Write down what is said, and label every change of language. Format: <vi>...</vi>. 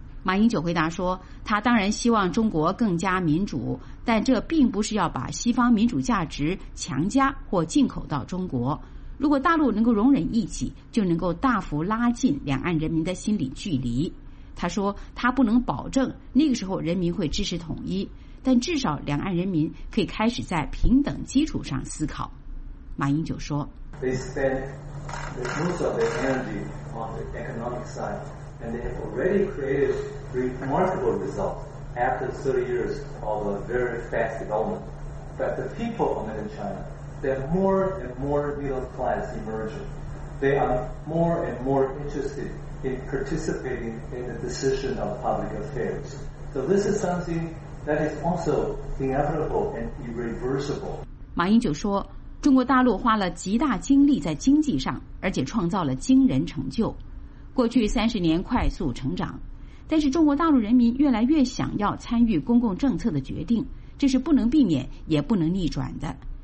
<zh>马英九回答说，他当然希望中国更加民主，但这并不是要把西方民主价值强加或进口到中国。如果大陆能够容忍异己，就能够大幅拉近两岸人民的心理距离。他说他不能保证那个时候人民会支持统一，但至少两岸人民可以开始在平等基础上思考。马英九说</zh> <en>They spend the most of their energy on the economic side, and they have already created remarkable results after 30 years of a very fast development. But the people of mainland China, they're more and more middle class emerging. They are more and more interested in participating in the decision of public affairs. So this is somethingThat is also inevitable and irreversible.</en> <zh>马英九说，中国大陆花了极大精力在经济上，而且创造了惊人成就，过去30年快速成长，但是中国大陆人民越来越想要参与公共政策的决定，这是不能避免也不能逆转的。</zh>